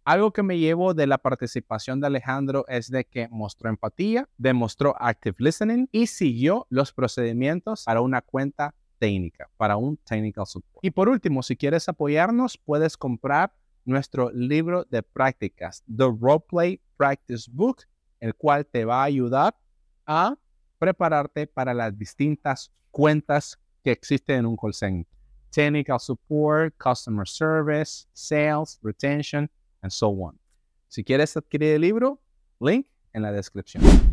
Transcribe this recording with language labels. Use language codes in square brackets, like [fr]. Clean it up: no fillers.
[es] Algo que me llevo de la participación de Alejandro es de que mostró empatía, demostró active listening y siguió los procedimientos para una cuenta técnica, para un technical support. Y por último, si quieres apoyarnos, puedes comprar nuestro libro de prácticas, The Roleplay Practice Book, el cual te va a ayudar a prepararte para las distintas cuentas que existen en un call center. [en] Technical support, customer service, sales, retention, and so on. [es] Si quieres adquirir el libro, link en la descripción.